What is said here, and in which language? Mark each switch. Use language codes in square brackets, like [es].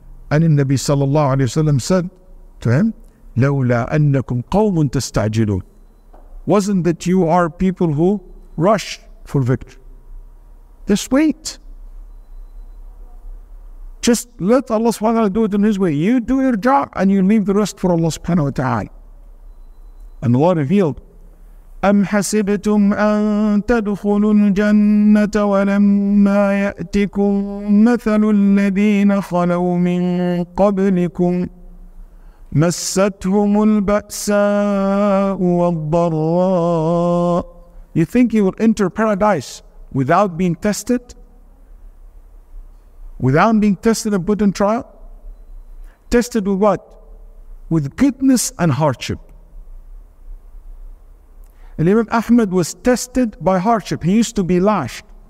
[en] And the Nabi sallallahu alayhi wa sallam said to him, [ar] لَوْلَا أَنَّكُمْ قَوْمٌ تَسْتَعْجِلُونَ. [en] Wasn't that you are people who rush for victory? Just wait. Just let Allah subhanahu wa ta'ala do it in His way. You do your job and you leave the rest for Allah subhanahu wa ta'ala. And Allah revealed, [ar] أَمْ حَسِبْتُمْ أَن تَدْخُلُوا الْجَنَّةَ وَلَمَّا يَأْتِكُمْ مَثَلُ الَّذِينَ خَلَوْا مِنْ قَبْلِكُمْ مَسَّتْهُمُ الْبَأْسَاءُ وَالضَّرَّاءُ. [en] You think you will enter paradise without being tested? Without being tested and put in trial? Tested with what? With goodness and hardship. And Imam Ahmad was tested by hardship. He used to be lashed.